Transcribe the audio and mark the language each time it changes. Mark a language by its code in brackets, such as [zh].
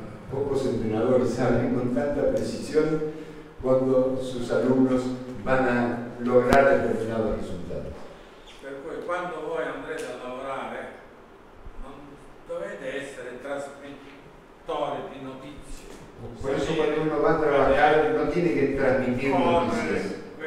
[es] Pocos entrenadores saben con tanta precisión cuando sus alumnos van a lograr determinados resultados. [it] Per cui, quando voi andrete a lavorare, non dovete essere trasmettitore di notizie. [es] Por eso, cuando uno va a trabajar, no tiene que transmitir noticias.